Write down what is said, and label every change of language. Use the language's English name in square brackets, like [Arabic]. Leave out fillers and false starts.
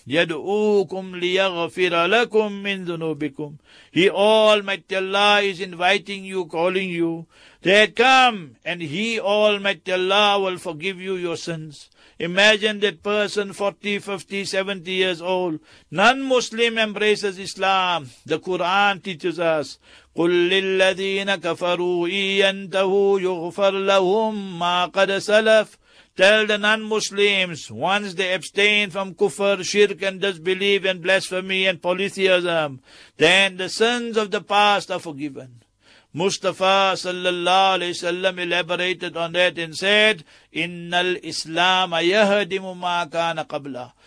[Arabic] يَدْعُوكُمْ لِيَغْفِرَ لَكُمْ مِنْ ذُنُوبِكُمْ. [English] He, Almighty Allah, is inviting you, calling you. They had come, and He, Almighty Allah, will forgive you your sins. Imagine that person, 40, 50, 70 years old. Non-Muslim embraces Islam. The Quran teaches us, [Arabic] قُلْ لِلَّذِينَ كَفَرُوا إِيَّنْتَهُ يُغْفَرْ لَهُمْ مَا قَدَ سَلَفْ. [English] Tell the non-Muslims, once they abstain from kufr, shirk and disbelief and blasphemy and polytheism, then the sins of the past are forgiven. Mustafa sallallahu alayhi wasallam elaborated on that and said, [Arabic] Innal Islam yahdimu ma kana qabla.